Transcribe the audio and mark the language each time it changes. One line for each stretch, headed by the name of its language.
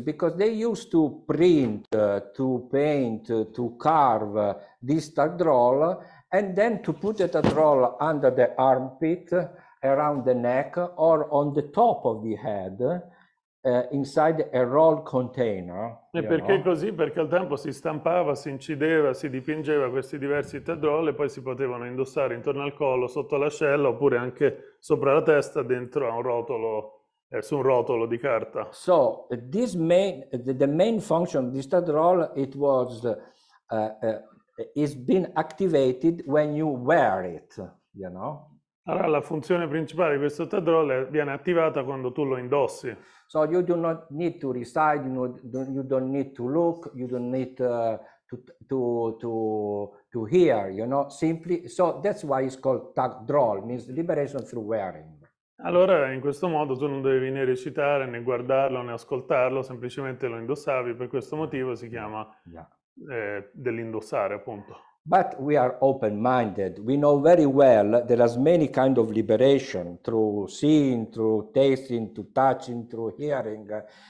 English: Because they used to print, to paint, to carve this tadrol, and then to put the tadrol under the armpit, around the neck, or on the top of the head, inside a roll container.
Italian: E perché così? Perché al tempo si stampava, si incideva, si dipingeva questi diversi tadrol e poi si potevano indossare intorno al collo, sotto l'ascella, oppure anche sopra la testa, dentro a un rotolo. Su un rotolo di carta.
English: So this the main function of this tadrol it's been activated when you wear it, you know.
Italian: Allora, la funzione principale di questo tadrolle viene attivata quando tu lo indossi.
English: So you do not need to recite, you don't need to look, you don't need to hear, you know, simply. So that's why it's called tadrolle, means liberation through wearing.
Italian: Allora, in questo modo tu non dovevi né recitare, né guardarlo, né ascoltarlo, semplicemente lo indossavi, per questo motivo si chiama dell'indossare, appunto.
English: But we are open-minded. We know very well there are many kinds of liberation through seeing, through tasting, through touching, through hearing.